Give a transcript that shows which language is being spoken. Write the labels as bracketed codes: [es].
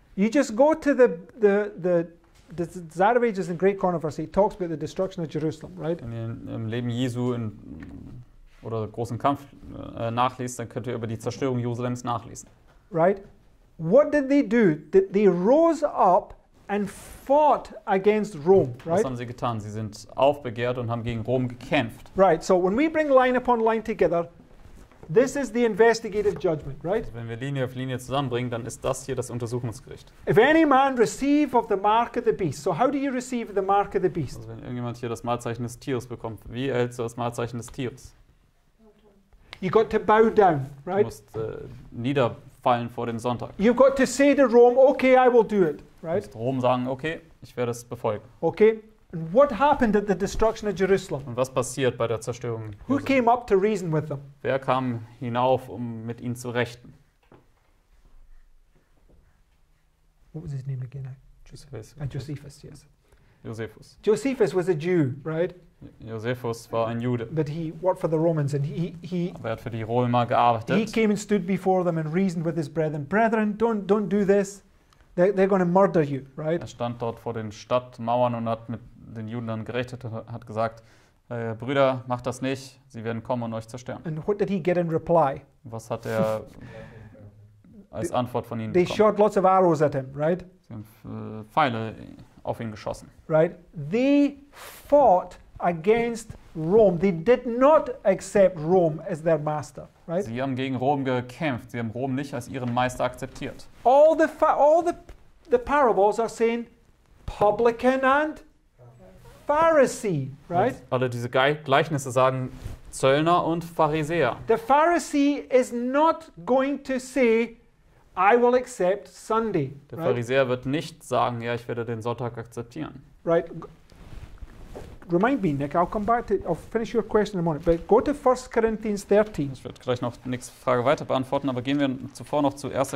[en] You just go to the Desire of Ages in Great Controversy, talks about the destruction of Jerusalem, right? [de] Wenn ihr im Leben Jesu oder großen Kampf nachliest, dann könnt ihr über die Zerstörung Jerusalems nachlesen. [en] Right? What did they do? They rose up and fought against Rome, right? [de] Was haben sie getan? Sie sind aufbegehrt und haben gegen Rom gekämpft. [en] Right, so when we bring line upon line together, this is the investigative judgment, right? [de] Wenn wir Linie auf Linie zusammenbringen, dann ist das hier das Untersuchungsgericht. [en] If any man receive of the mark of the beast, so how do you receive the mark of the beast? [de] Also wenn irgendjemand hier das Markzeichen des Tieres bekommt, wie erhältst du das Markzeichen des Tieres? [en] You got to bow down, right? [de] Du musst niederfallen vor dem Sonntag. [en] You've got to say to Rome, okay, I will do it. Right? [de] Rom sagen, okay, ich werde es befolgen. [en] Okay. And what happened at the destruction of Jerusalem? [de] Und was passiert bei der Zerstörung? [en] Who came up to reason with them? [de] Wer kam hinauf, um mit ihnen zu rechten? [en] What was his name again? Josephus. Josephus, yes. Josephus. Josephus was a Jew, right? [de] Josephus war ein Jude. [en] But he worked for the Romans and he [de] hat für die Römer gearbeitet. [en] He came and stood before them and reasoned with his brethren. Brethren, don't do this. They're going to murder you, right? [de] Er stand dort vor den Stadtmauern und hat mit den Juden dann gerichtet und hat gesagt, Brüder, macht das nicht, sie werden kommen und euch zerstören. [en] And what did he get in reply? [de] Was hat er als Antwort von ihnen [en] they [de] bekommen? [en] They shot lots of arrows at him, right? [de] Sie haben Pfeile auf ihn geschossen. [en] Right? They fought against Rome. They did not accept Rome as their master. Right? [de] Sie haben gegen Rom gekämpft. Sie haben Rom nicht als ihren Meister akzeptiert. [en] All the parables are saying publican and Pharisee, right? [de] Alle diese Gleichnisse sagen Zöllner und Pharisäer. [en] The Pharisee is not going to say, I will accept Sunday. [de] Der Pharisäer wird nicht sagen, ja, ich werde den Sonntag akzeptieren. [en] Right. Remind me, Nick, I'll come back to, I'll finish your question in a moment, but go to 1 Corinthians 13. [de] Ich werde gleich noch Nicks Frage weiter beantworten, aber gehen wir zuvor noch zu 1.